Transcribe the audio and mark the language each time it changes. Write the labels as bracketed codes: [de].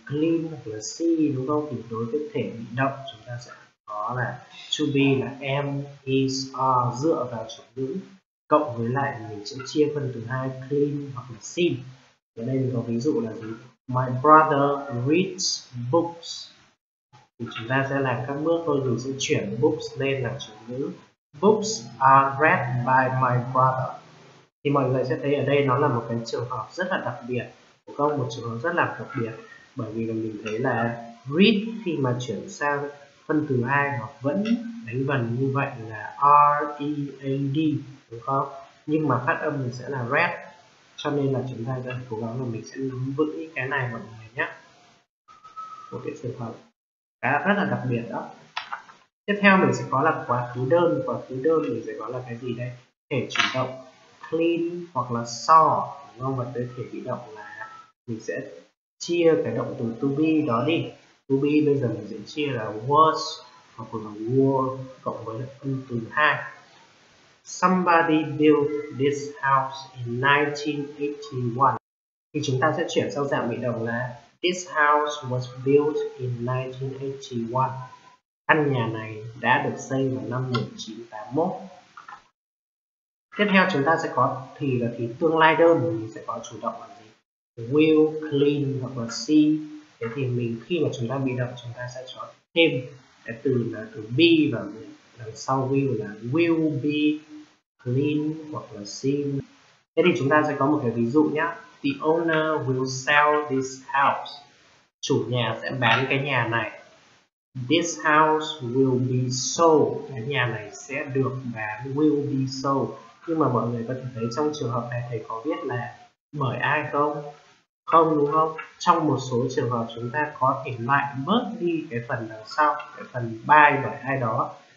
[vi] Clean hoặc là see đúng không? Thì đối với thể bị động chúng ta sẽ có là to be là am, is, are dựa vào chủ ngữ cộng với lại mình sẽ chia phần từ hai clean hoặc là see. Ở đây mình có ví dụ là gì? [en] My brother reads books. [vi] Thì chúng ta sẽ làm các bước thôi, mình sẽ chuyển books lên là chủ ngữ. [en] Books are read by my brother. [vi] Thì mọi người sẽ thấy ở đây nó là một cái trường hợp rất là đặc biệt, không, một trường hợp rất là đặc biệt, bởi vì là mình thấy là read khi mà chuyển sang phân từ hai nó vẫn đánh vần như vậy là READ đúng không, nhưng mà phát âm mình sẽ là read, cho nên là chúng ta sẽ cố gắng là mình sẽ nắm vững cái này mọi người nhé, một cái trường hợp khá rất là đặc biệt đó. Tiếp theo mình sẽ có là quá khứ đơn. Quá khứ đơn mình sẽ có là cái gì đây? Thể chủ động clean hoặc là saw đúng không? Và tới thể bị động là mình sẽ chia cái động từ to be đó đi. To be bây giờ mình sẽ chia là was hoặc là were cộng với phân từ hai. [en] Somebody built this house in 1981. [vi] Thì chúng ta sẽ chuyển sang dạng bị động là [en] this house was built in 1981. [vi] Căn nhà này đã được xây vào năm 1981. Tiếp theo chúng ta sẽ có thì là thì tương lai đơn, mình sẽ có chủ động là gì? Will, clean hoặc là see. Thế thì mình khi mà chúng ta bị động chúng ta sẽ chọn thêm cái từ là từ be và đằng sau will là will be clean hoặc là seem. Thế thì chúng ta sẽ có một cái ví dụ nhé. [en] The owner will sell this house. [vi] Chủ nhà sẽ bán cái nhà này. [en] This house will be sold. [vi] Cái nhà này sẽ được bán, [en] will be sold. [vi] Nhưng mà mọi người có thể thấy trong trường hợp này thầy có viết là bởi ai không? Không đúng không? Trong một số trường hợp chúng ta có thể lại bớt đi cái phần đằng sau, cái phần by bởi ai đó.